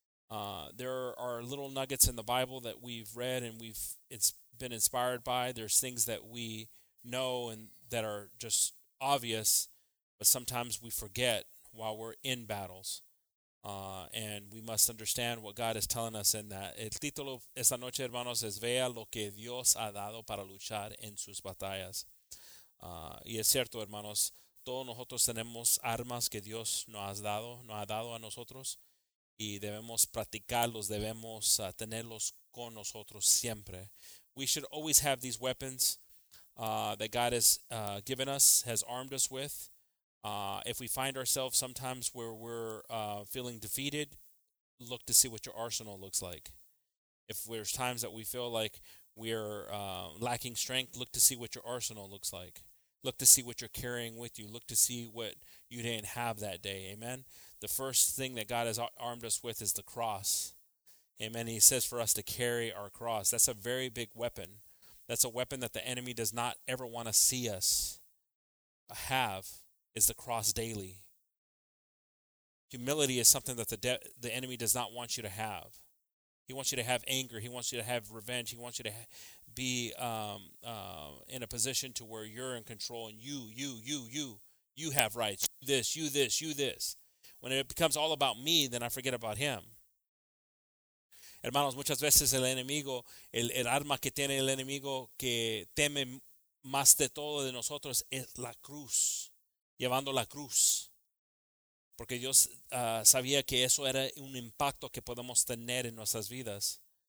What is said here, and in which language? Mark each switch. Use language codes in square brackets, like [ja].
[en] There are little nuggets in the Bible that we've read and it's been inspired by. There's things that we know and that are just obvious, but sometimes we forget while we're in battles. And we must understand what God is telling us in that. [es] El título esta noche, hermanos, es Vea lo que Dios ha dado para luchar en sus batallas. Y es cierto, hermanos, todos nosotros tenemos armas que Dios nos ha dado a nosotros. Y debemos practicarlos, debemos tenerlos con nosotros siempre. [en] We should always have these weapons that God has given us, has armed us with. If we find ourselves sometimes where we're feeling defeated, look to see what your arsenal looks like. If there's times that we feel like we're lacking strength, look to see what your arsenal looks like. Look to see what you're carrying with you. Look to see what you didn't have that day. Amen. The first thing that God has armed us with is the cross. Amen. He says for us to carry our cross. That's a very big weapon. That's a weapon that the enemy does not ever want to see us have, is the cross daily. Humility is something that the enemy does not want you to have. He wants you to have anger. He wants you to have revenge. He wants you to be in a position to where you're in control and you have rights. You this. When it becomes all about me, then I forget about him. [es] Hermanos, muchas veces el enemigo, el arma que tiene el enemigo que teme más de todo de nosotros es la cruz, llevando la cruz. Porque Dios sabía que eso era un impacto que podemos tener en nuestras vidas.